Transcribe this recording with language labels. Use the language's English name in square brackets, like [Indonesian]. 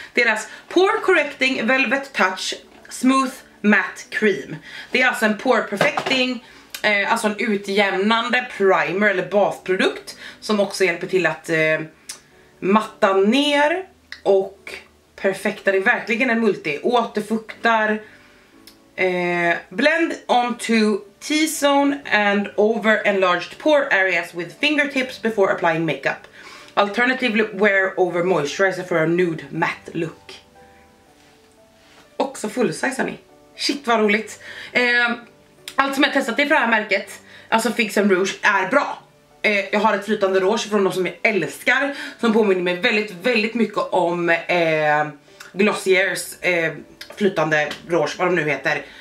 [Swedish] Deras Pore Correcting Velvet Touch Smooth Matte Cream. Det är alltså en pore perfecting, alltså en utjämnande primer eller basprodukt. Som också hjälper till att matta ner och perfekta. Det är verkligen en multi. Återfuktar. [English] Blend onto T-zone and over enlarged pore areas with fingertips before applying makeup. Alternatively wear over moisturizer for a nude matte look. [Swedish] Också full size, hörni. Shit vad roligt. Allt som jag testat i för det här märket, alltså Fix and Rouge, är bra. Jag har ett flytande rouge från de som jag älskar, som påminner mig väldigt, väldigt mycket om Glossiers flytande rouge, vad de nu heter.